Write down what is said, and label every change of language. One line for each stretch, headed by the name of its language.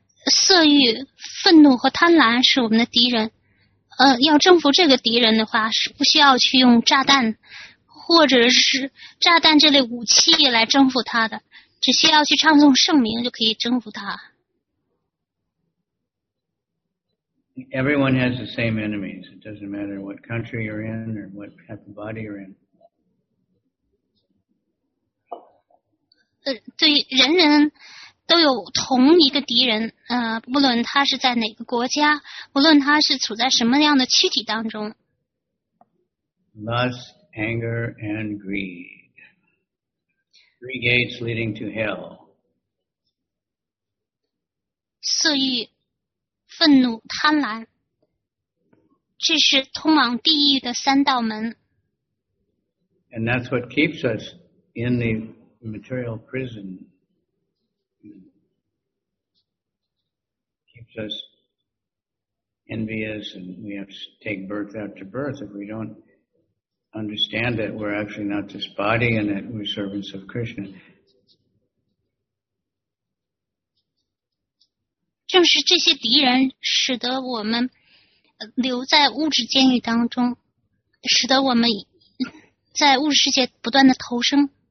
Chinese: 色欲、愤怒和贪婪是我们的敌人。要征服这个敌人的话，是不需要去用炸弹或者是炸弹这类武器来征服他的，只需要去唱诵圣名就可以征服他。
English: Everyone has the same enemies. It doesn't matter what country you're in or what type of body you're in.
Chinese: 对，人人都有同一个敌人，不论他是在哪个国家，不论他是处在什么样的躯体当中。
English: Lust, anger, and greed. Three gates leading to hell.
Chinese: 色欲、愤怒、贪婪，这是通往地狱的三道门。
English: And that's what keeps us in the material prison. Just envious, and we have to take birth after birth. If we don't understand that we're actually not this body and that we're servants of Krishna,
Chinese: 正是这些敌人使得我们留在物质监狱当中，使得我们在物质世界不断的投生。